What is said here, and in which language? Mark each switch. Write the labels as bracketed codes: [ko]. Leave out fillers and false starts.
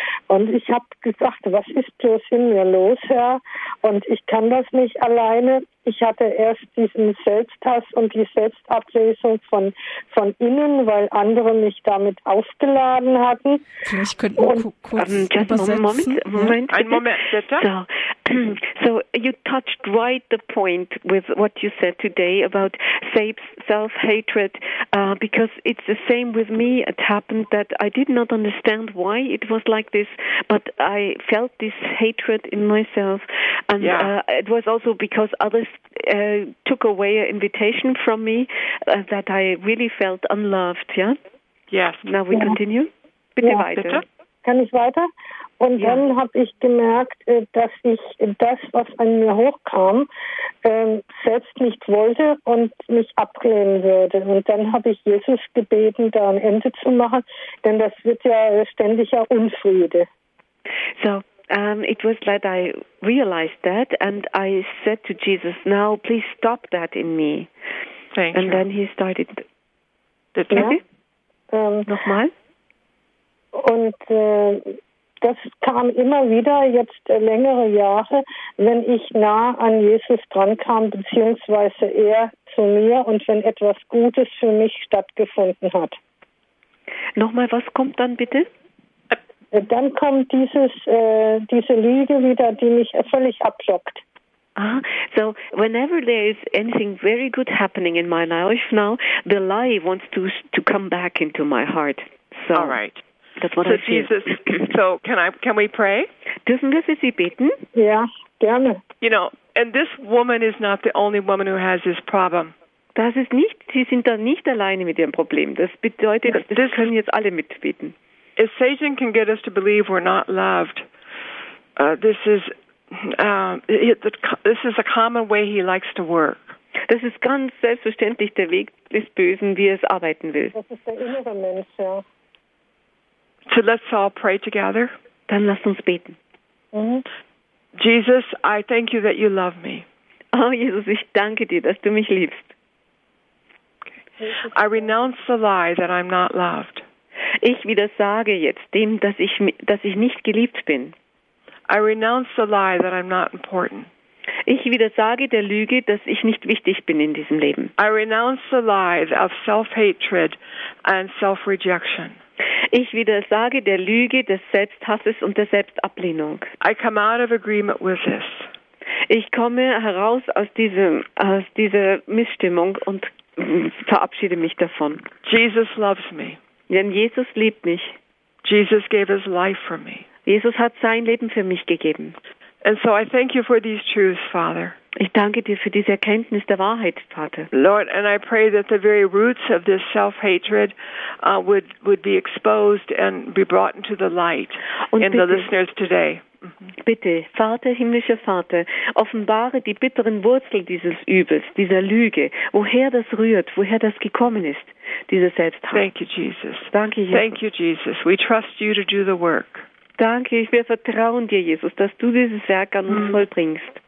[de] Und ich habe gesagt, was ist bloß in mir los, Herr? Und ich kann das nicht alleine. Ich hatte erst diesen Selbsthass und die Selbstablesung von innen, weil andere mich damit aufgeladen hatten. Vielleicht könnten wir kurz übersetzen. Moment, ja. Ein Moment, bitte. [en] So you touched right the point with what you said today about self-hatred, because it's the same with me. It happened that I did not understand why it was like this, but I felt this hatred in myself. And yeah. It was also because others took away an invitation from me that I really felt unloved. Yeah. Yes. Now we continue. [de] Bitte weiter. Kann ich weiter? Und dann habe ich gemerkt, dass ich das, was an mir hochkam, selbst nicht wollte und mich ablehnen würde. Und dann habe ich Jesus gebeten, da ein Ende zu machen, denn das wird ja ständiger Unfriede. [en] So, it was like I realized that and I said to Jesus, now please stop that in me. Thank and you. Then he started. [de] Nochmal? Und das kam immer wieder, jetzt längere Jahre, wenn ich nah an Jesus drankam, beziehungsweise er zu mir und wenn etwas Gutes für mich stattgefunden hat. Nochmal, was kommt dann bitte? Dann kommt diese Lüge wieder, die mich völlig ablockt. [en] So whenever there is anything very good happening in my life now, the lie wants to come back into my heart. So. All right. That's what so I Jesus, so can we pray? [de] Dürfen wir für Sie beten? Ja, gerne. [en] You know, and this woman is not the only woman who has this problem. [de] Das ist nicht, Sie sind da nicht alleine mit Ihrem Problem. Das bedeutet, das können jetzt alle mitbeten. [en] If Satan can get us to believe we're not loved, this is a common way he likes to work. [de] Das ist ganz selbstverständlich der Weg des Bösen, wie er es arbeiten will. Das ist der innere Mensch, ja. [en] So let's all pray together. [de] Dann lass uns beten. [en] Jesus, I thank you that you love me. [de] Oh, Jesus, ich danke dir, dass du mich liebst. [en] Okay. I renounce the lie that I'm not loved. [de] Ich widersage jetzt dem, dass ich nicht geliebt bin. [en] I renounce the lie that I'm not important. [de] Ich widersage der Lüge, dass ich nicht wichtig bin in diesem Leben. [en] I renounce the lie of self-hatred and self-rejection. [de] Ich widersage der Lüge des Selbsthasses und der Selbstablehnung. [en] I come out of agreement with this. [de] Ich komme heraus aus dieser Missstimmung und verabschiede mich davon. [en] Jesus loves me. [de] Denn Jesus liebt mich. [en] Jesus gave his life for me. [de] Jesus hat sein Leben für mich gegeben. [en] And so I thank you for these truths, Father. [de] Ich danke dir für diese Erkenntnis der Wahrheit, Vater. [en] Lord, and I pray that the very roots of this self-hatred would be exposed and be brought into the light [de] und in bitte, [en] the listeners today. [de] Bitte, Vater, himmlischer Vater, offenbare die bitteren Wurzeln dieses Übels, dieser Lüge, woher das rührt, woher das gekommen ist, dieser Selbsthass. [en] Thank you, Jesus. [de] Danke, Jesus. [en] Thank you, Jesus. We trust you to do the work. [de] Danke, wir vertrauen dir, Jesus, dass du dieses Werk an uns vollbringst.